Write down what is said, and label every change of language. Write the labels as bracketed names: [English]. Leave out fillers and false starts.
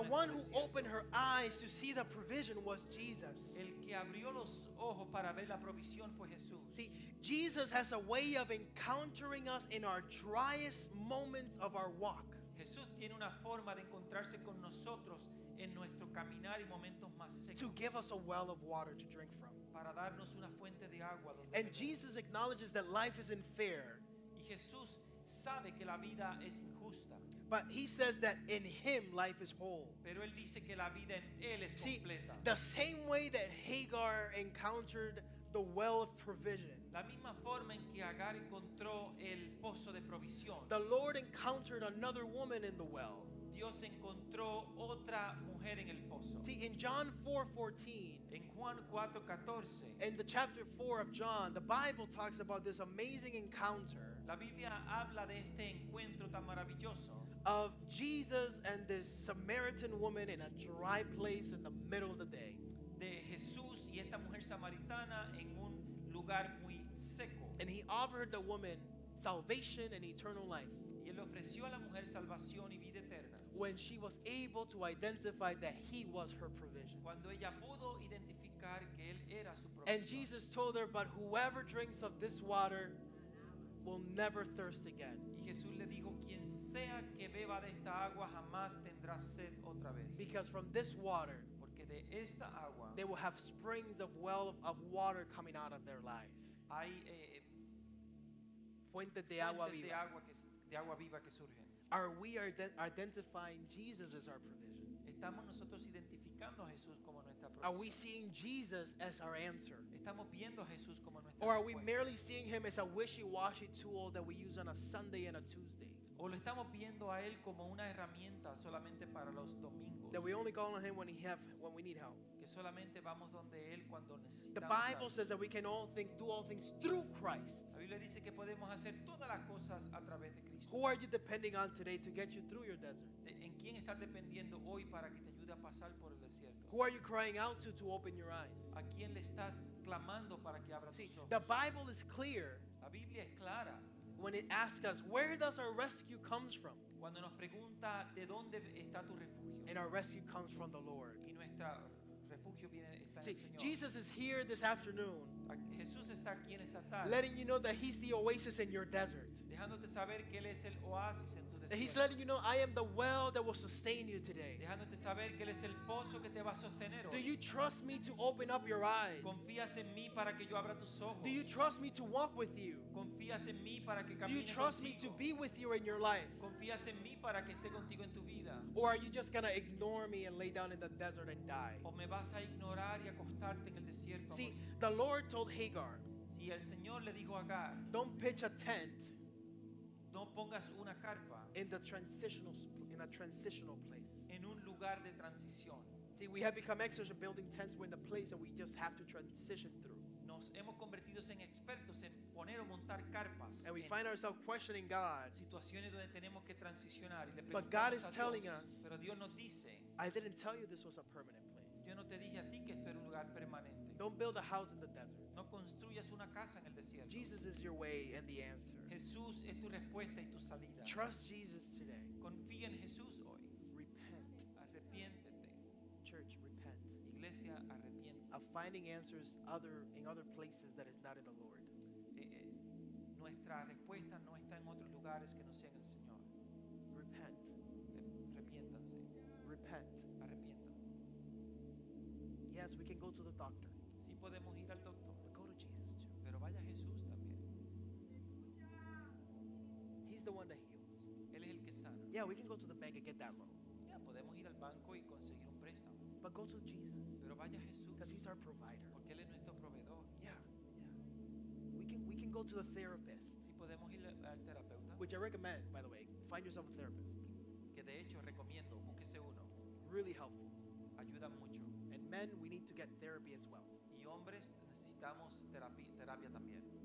[English] one who opened her eyes to see the provision was Jesus. [Spanish] El que abrió los ojos para ver la provisión fue Jesús. [English] See, Jesus has a way of encountering us in our driest moments of our walk. [Spanish] Jesús tiene una forma de encontrarse con nosotros en nuestro caminar y momentos más secos. [English] To give us a well of water to drink from. [Spanish] Para darnos una fuente de agua donde. [English] And Jesus acknowledges that life isn't fair. [Spanish] Y Jesús sabe que la vida es injusta. [English] But he says that in him life is whole. [Spanish] Pero él dice que la vida en él es completa. [English] See, the same way that Hagar encountered the well of provision. [Spanish] La misma forma en que Agar encontró el pozo de provisión. [English] The Lord encountered another woman in the well. [Spanish] Dios encontró otra mujer en el pozo. [English] See, in John 4:14, [Spanish] en Juan 4:14, [English] in the chapter 4 of John, the Bible talks about this amazing encounter. [Spanish] La Biblia habla de este encuentro tan maravilloso. [English] Of Jesus and this Samaritan woman in a dry place in the middle of the day. [Spanish] De Jesús y esta mujer samaritana en un lugar muy seco. [English] And he offered the woman salvation and eternal life. [Spanish] Y él ofreció a la mujer salvación y vida eterna. [English] When she was able to identify that he was her provision. [Spanish] Cuando ella pudo identificar que él era su provisión. [English] And Jesus told her, but whoever drinks of this water will never thirst again. [Spanish] Y Jesús le dijo, quien sea que beba de esta agua jamás tendrá sed otra vez. [English] Because from this water, [Spanish] porque de esta agua, [English] they will have springs of well of water coming out of their life. [Spanish] Hay fuentes de agua viva. De agua viva que surgen. [English] Are we identifying Jesus as our provision? [Spanish] Estamos nosotros identificando a Jesús como nuestra provisión. [English] Are we seeing Jesus as our answer? [Spanish] Estamos viendo a Jesús como nuestra [English] respuesta. Or are we merely seeing him as a wishy-washy tool that we use on a Sunday and a Tuesday? [Spanish] ¿O lo estamos viendo a él como una herramienta solamente para los domingos? [English] That we only call on him when we need help. [Spanish] Que solamente vamos donde él cuando necesitamos. [English] The Bible says that we can do all things through Christ. [Spanish] La Biblia dice que podemos hacer todas las cosas a través de Cristo. [English] Who are you depending on today to get you through your desert? [Spanish] ¿En quién estás dependiendo hoy para que te ayude a pasar por el desierto? [English] Who are you crying out to open your eyes? [Spanish] ¿A quién le estás clamando para que abra tus ojos? [English] The Bible is clear. [Spanish] La Biblia es clara. [English] When it asks us, where does our rescue come from? [Spanish] Cuando nos pregunta, ¿de dónde está tu refugio? [English] And our rescue comes from the Lord. [Spanish] Y nuestro refugio viene, está en el Señor. [English] Jesus is here this afternoon. [Spanish] Jesús está aquí en esta tarde. [English] Letting you know that he's the oasis in your desert. [Spanish] Dejándote saber que él es el oasis en tu desierto. [English] That he's letting you know, I am the well that will sustain you today. [Spanish] Dejándote saber que él es el pozo que te va a sostener hoy. [English] Do you trust me to open up your eyes? [Spanish] Confías en mí para que yo abra tus ojos. [English] Do you trust me to walk with you? [Spanish] Confías en mí para que camine [English] you trust me to be with you in your life? [Spanish] Confías en mí para que esté contigo en tu vida. [English] Or are you just going to ignore me and lay down in the desert and die? [Spanish] O me vas a ignorar y acostarte en el desierto. [English] See, the Lord told Hagar, [Spanish] si el Señor le dijo a Agar, [English] don't pitch a tent, [Spanish] no pongas una carpa, [English] in a transitional place, [Spanish] en un lugar de transición. [English] See, we have become experts at building tents when the place that we just have to transition through. [Spanish] Nos hemos convertido en expertos en poner o montar carpas. [English] And we find ourselves questioning God. [Spanish] Situaciones donde tenemos que transicionar y le [English] preguntamos. But God is telling [Spanish] Dios, [English] us. [Spanish] Pero Dios nos dice. [English] I didn't tell you this was a permanent place. [Spanish] Yo no te dije a ti que esto era un lugar permanente. [English] Don't build a house in the desert. [Spanish] No construyas una casa en el desierto. [English] Jesus is your way and the answer. [Spanish] Jesús es tu respuesta y tu salida. [English] Trust Jesus today. [Spanish] Confía en Jesús hoy. [English] Repent. [Spanish] Arrepiéntete. [English] Church, repent. [Spanish] Iglesia, arrepiéntete. [English] Of finding answers in other places that is not in the Lord. [Spanish] Nuestra respuesta no está en otros lugares que no sean el Señor. [English] Repent. [Spanish] Arrepiéntanse. [English] Repent. [Spanish] Arrepiéntanse. [English] Yes, we can go to the doctor. [Spanish] Sí, podemos ir al doctor. [English] But go to Jesus too. [Spanish] Pero vaya Jesús también. [English] He's the one that heals. [Spanish] Él es el que sana. [English] Yeah, we can go to the bank and get that loan. [Spanish] Yeah, podemos ir al banco y conseguir un préstamo. [English] But go to Jesus. [Spanish] Pero vaya Jesús. [English] Because he's our provider. [Spanish] Porque él es nuestro proveedor. [English] Yeah. We can go to the therapist. [Spanish] Sí, podemos ir al terapeuta. [English] Which I recommend, by the way. Find yourself a therapist. [Spanish] Que de hecho recomiendo, búsquese uno. [English] Really helpful. [Spanish] Ayuda mucho. [English] And men, we need to get therapy as well. [Spanish] Y hombres, necesitamos terapia también.